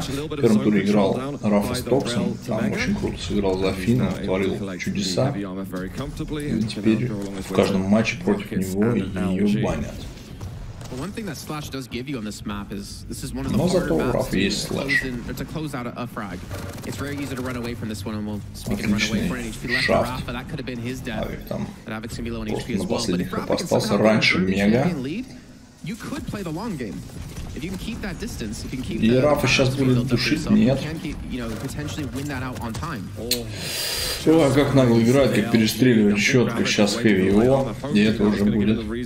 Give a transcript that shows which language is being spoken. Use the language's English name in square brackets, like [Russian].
[Russian] В первом туре играл Rapha с Токсом, там очень круто сыграл за Афина, творил чудеса. И теперь в каждом матче против него ее банят. [English] One thing that Slash does give you on this map is this is one of [Russian] Но [English] the harder maps is Slash. To close out a frag. It's very easy to run away from this one, and we'll speak of running away for an HP left Rapha, but that could have been his death. But Av3k's gonna be low on HP as well. But if Rapha can somehow earn the champion lead, you could play the long game. If you can keep that distance, you can keep [Russian] и Рафа сейчас будет душить, нет. Все, а как нагло играть, как перестреливать четко, сейчас хэви его, и это уже будет.